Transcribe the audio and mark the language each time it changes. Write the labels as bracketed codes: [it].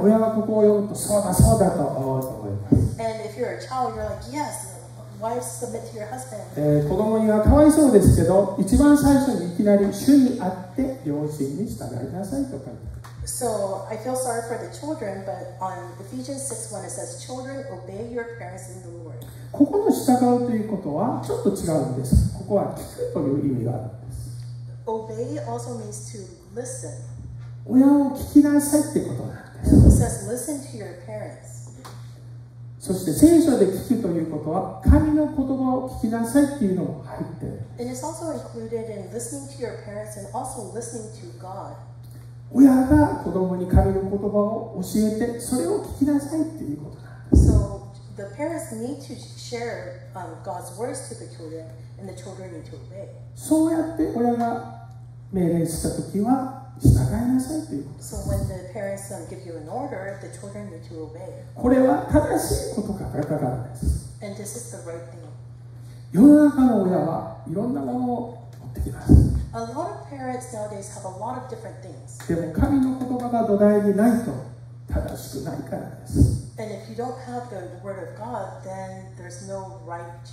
[ja] 親はここを読むとそうだそうだと思うと思います。 [en] And if you're a child, you're like, yes, wives submit to your husband. [ja] 子供にはかわいそうですけど、一番最初にいきなり主に会って両親に従いなさいとか。 [en] So I feel sorry for the children, but on Ephesians 6:1 it says, children, obey your parents in the Lord. [ja] ここの従うということはちょっと違うんです。ここは聞くという意味がある。 [en] Obey also means to listen. [ja] 親を聞きなさいってことなんです。 [en] It says listen to your parents. [ja] そして聖書で聞くということは神の言葉を聞きなさいっていうのも入ってる。 [en] And it's also included in listening to your parents and also listening to God. [ja] 親が子供に神の言葉を教えてそれを聞きなさいっていうことなんです。 [en] So the parents need to share God's words to the children. And the children need to obey. [ja] そうやって親が命令したときは従いなさいということ。 [en] So when the parents give you an order, the children need to obey. [ja] これは正しいことかだからです。 [en] And this is the right thing. [ja] 世の中の親はいろんなものを持ってきます。 [en] A lot of parents nowadays have a lot of different things. [ja] でも神の言葉が土台にないと正しくないからです。 [en] And if you don't have the word of God, then there's no right.